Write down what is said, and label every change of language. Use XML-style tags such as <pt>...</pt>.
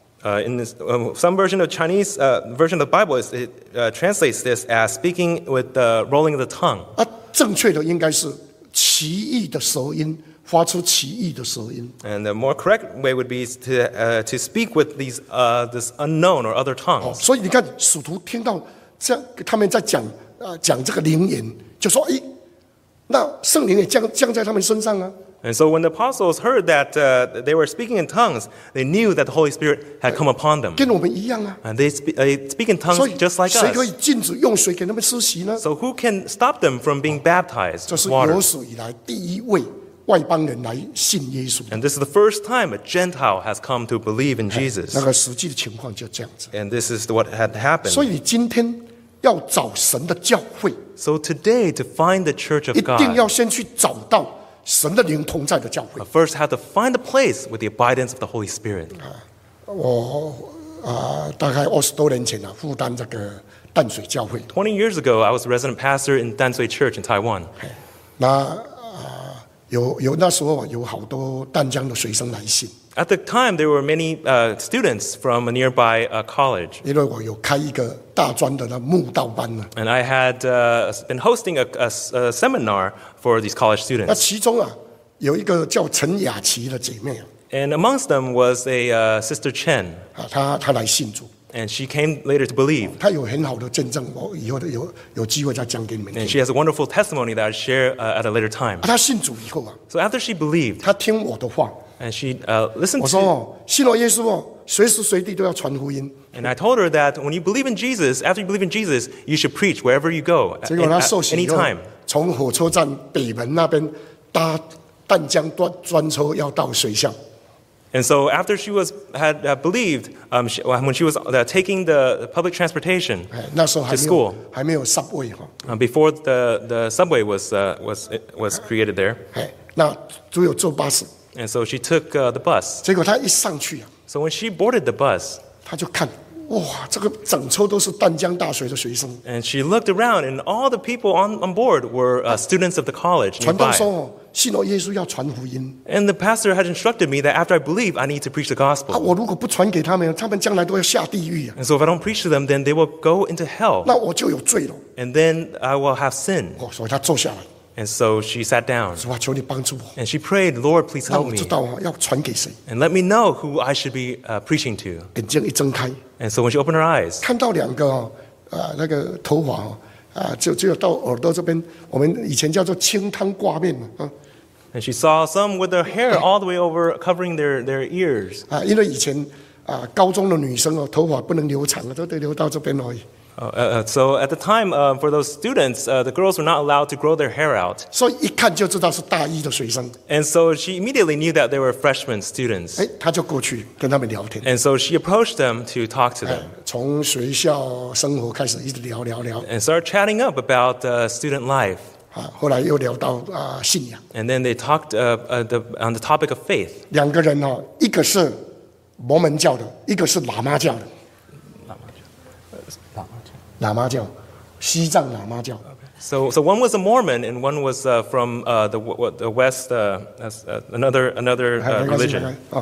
<en>In this, some version of Chinese version of the Bible, is, it translates this as speaking with the rolling of the tongue.</en> <zh>啊，正确的应该是奇异的舌音，发出奇异的舌音。</zh> <en>And the more correct way would be to speak with these this unknown or other tongues.</en> <zh>所以你看，使徒听到这样，他们在讲讲这个灵言，就说哎，那圣灵也降在他们身上啊。</zh> <en>And so when the apostles heard that they were speaking in tongues, they knew that the Holy Spirit had come upon them.</en> <zh>跟我们一样啊。</zh> <en>And they speak in tongues just like us.</en> <zh>谁可以禁止用水给他们施洗呢？</zh> <en>So who can stop them from being baptized with water?</en> <zh>这是有史以来第一位外邦人来信耶稣。</zh> <en>And this is the first time a Gentile has come to believe in Jesus.</en> <zh>那个实际的情况就这样子。</zh> <en>And this is what had happened.</en> <zh>所以今天要找神的教会。</zh> <en>So today, to find the church of God,</en> <zh>一定要先去找到神的灵同在的教会。</zh> <en>First, have to find a place with the abidance of the Holy Spirit.</en> <zh>我大概20多年前负担这个淡水教会。</zh> <en>20 years ago, I was resident pastor in Danshui Church in Taiwan.</en> <zh>那有那时候有好多淡江的学生来信。</zh> <en>At the time, there were many students from a nearby college.</en> <zh>因为我有开一个大专的那慕道班呢。</zh> <en>And I had been hosting a seminar for these college students.</en> <zh>那其中啊，有一个叫陈雅琪的姐妹。</zh> <en>And amongst them was a sister Chen.</en> <zh>她来信主。</zh> <en>And she came later to believe.</en> <zh>她有很好的见证，我以后有机会再讲给你们。</zh> <en>And she has a wonderful testimony that I share at a later time.</en> <zh>她信主以后啊。</zh> <en>So after she believed.</en> <zh>她听我的话。</zh> <en>And she listened to.</en> <zh>我说哦，信了耶稣哦，随时随地都要传福音。</zh> <en>And I told her that when you believe in Jesus, after you believe in Jesus, you should preach wherever you go.</en> <zh>结果她受洗以后，从火车站北门那边搭淡江专车要到水乡。</zh> <en>And so after she was had believed, when she was taking the public transportation to school,</en> <zh>还没有 subway 哈。</zh> <en>Before the subway was created there.</en> <zh>那只有坐巴士。</zh> <en>And so she took the bus.</en> <zh>结果她一上去啊。</zh> <en>So when she boarded the bus,</en> <zh>她就看，哇，这个整车都是淡江大学的学生。</zh> <en>And she looked around, and all the people on board were students of the college nearby.</en> <zh>传道说，信了耶稣要传福音。</zh> <en>And the pastor had instructed me that after I believe, I need to preach the gospel.</en> <zh>我如果不传给他们，他们将来都要下地狱啊。</zh> <en>And so if I don't preach to them, then they will go into hell.</en> <zh>那我就有罪了。</zh> <en>And then I will have sin.</en> <zh>所以她坐下来。</zh> <en>And so she sat down.</en> <zh>主啊，求你帮助我。</zh> <en>And she prayed, Lord, please help me.</en> <zh>让我知道要传给谁。</zh> <en>And let me know who I should be preaching to.</en> <zh>眼睛一睁开。</zh> <en>And so when she opened her eyes,</en> <zh>看到两个那个头发就到耳朵这边，我们以前叫做清汤挂面嘛。</zh> <en>And she saw some with their hair all the way over covering their ears.</en> <zh>因为以前高中的女生头发不能留长，都得留到这边而已。</zh> <en>So at the time, for those students, the girls were not allowed to grow their hair out.</en> <zh>所以一看就知道是大一的学生。</zh> <en>And so she immediately knew that they were freshman students.</en> <zh>哎，她就过去跟他们聊天。</zh> <en>And so she approached them to talk to them.</en> <zh>从学校生活开始一直聊聊聊。</zh> <en>And started chatting up about student life.</en> <zh>后来又聊到信仰。</zh> <en>And then they talked on the topic of faith.</en> <zh>两个人哦，一个是摩门教的，一个是喇嘛教的。喇嘛教，西藏喇嘛教。</zh> <en>So one was a Mormon and one was from the West another religion.</en>